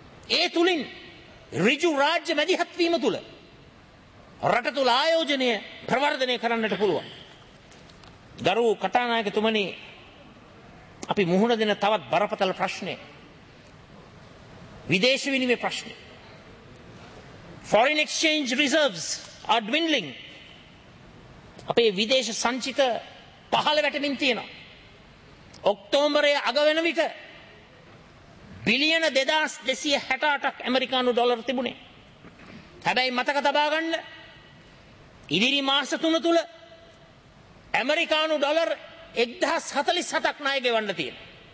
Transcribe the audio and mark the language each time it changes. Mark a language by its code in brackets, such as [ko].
[si] ඒ තුලින් ඍජු රාජ්‍ය මැදිහත් වීම තුල රට තුල ආයෝජනය ප්‍රවර්ධනය කරන්නට පුළුවන්. ගරු කටානායකතුමනි, අපි මුහුණ දෙන තවත් බරපතල ප්‍රශ්නය විදේශ විනිමය ප්‍රශ්නය. [en] Foreign exchange reserves are dwindling. [si] අපේ විදේශ සංචිත පහළ වැටෙමින් තියෙනවා. ඔක්තෝබරයේ අග වෙන විට බිලියන 2268ක් ඇමරිකානු ඩොලර් තිබුණේ. හැබැයි මතක තබා ගන්න, ඉදිරි මාස 3 තුල ඇමරිකානු ඩොලර් 1047ක් ණය ගෙවන්න තියෙනවා.